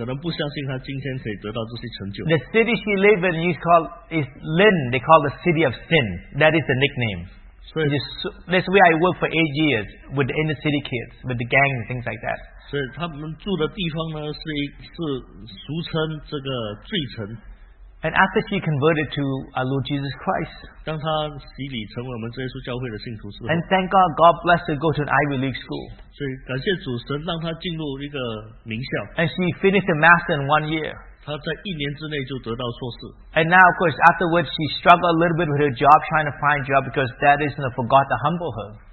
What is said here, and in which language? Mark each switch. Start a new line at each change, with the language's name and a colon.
Chinese: 不可能不相信他今天可以得到这些成就。
English: The city she lives in is Lynn. They call the city of sin. That is the nickname. That's where I worked for 8 years with the inner city kids, with the gang and things like that.
Chinese: 所以他们住的地方呢，是俗称这个罪城。
English: And after she converted to our Lord Jesus Christ,
Chinese: 当她洗礼成为我们这耶稣教会的信徒时,
English: and thank God, God blessed her to go to an Ivy League school.
Chinese: 所以感谢主神让她进入一个名校,
English: and she finished her master in 1 year.
Chinese: 她在一年之内就得到硕士.
English: And now, of course, afterwards, she struggled a little bit with her job, trying to find a job because dad isn't for God to humble her.